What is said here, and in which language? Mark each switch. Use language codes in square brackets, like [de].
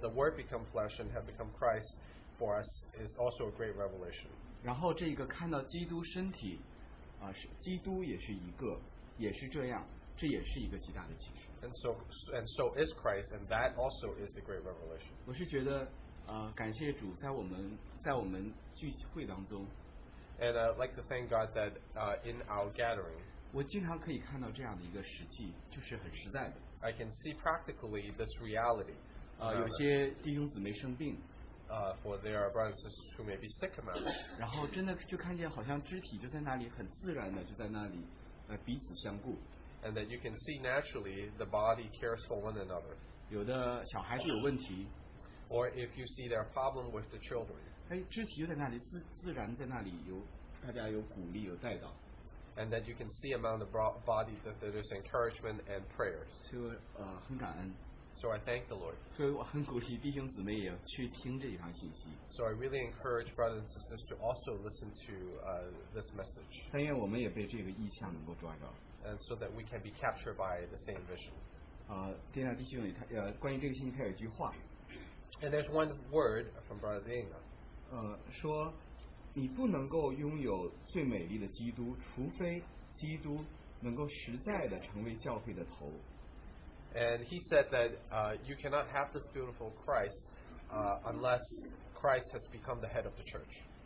[en] The Word become flesh and have become Christ for us is also a great revelation. [zh] 然后这个看到基督身体。基督也是一个，也是这样，这也是一个极大的启示。 [en] And so is Christ, and that also is a great revelation. [zh] 我是觉得，感谢主在我们聚会当中。 [en] And I'd like to thank God that, in our gathering. [zh] 我经常可以看到这样的一个实际，就是很实在的。 [en] I can see practically this reality. [zh] 有些弟兄姊妹生病。 [en] For their brothers and sisters who may be sick among them. [zh] 然后真的就看见好像肢体就在那里很自然的就在那里彼此相顾。 [en] And that you can see naturally the body cares for one another. [zh] 有的小孩子有问题。 [en] Or if you see their problem with the children. [zh] 肢体就在那里自然在那里有大家有鼓励有带导。 [en] And that you can see among the body that there is encouragement and prayers. [zh] 就很感恩。 [en] So I thank the Lord. [zh] 所以我很鼓励弟兄姊妹也去听这一堂信息。 [en] So I really encourage brothers and sisters to also listen to this message. [zh] 但愿我们也被这个意象能够抓着。 [en] And so that we can be captured by the same vision. [zh] 丁娜弟兄也关于这个信息他有一句话。 [en] And there's one word from Brother Dana. [zh] 说你不能够拥有最美丽的基督，除非基督能够实在的成为教会的头。 [en] And he said that you cannot have this beautiful Christ unless Christ has become the head of the church.